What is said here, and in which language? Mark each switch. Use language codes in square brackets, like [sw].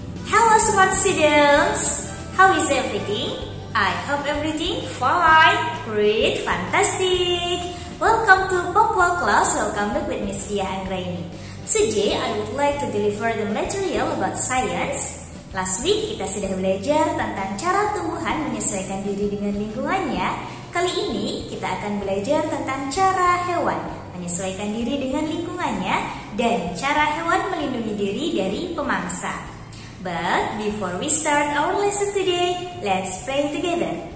[en] Hello smart students, how is everything? I hope everything fine, great, fantastic. Welcome to Pokwal class, welcome back with Miss Dia Anggraini. Today I would like to deliver the material about science. Last week [id] kita sudah belajar tentang cara tumbuhan menyesuaikan diri dengan lingkungannya. Kali ini kita akan belajar tentang cara hewan menyesuaikan diri dengan lingkungannya dan cara hewan melindungi diri dari pemangsa. [en] But before we start our lesson today, let's pray together.